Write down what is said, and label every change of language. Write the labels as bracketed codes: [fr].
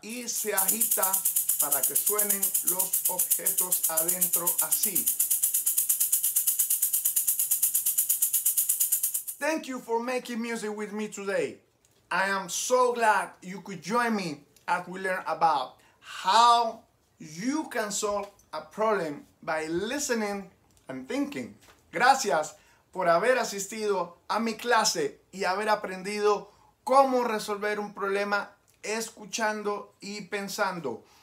[es] Y se agita para que suenen los objetos adentro así. [en] Thank you for making music with me today. I am so glad you could join me as we learn about how you can solve a problem by listening and thinking. [es] Gracias por haber asistido a mi clase y haber aprendido cómo resolver un problema escuchando y pensando.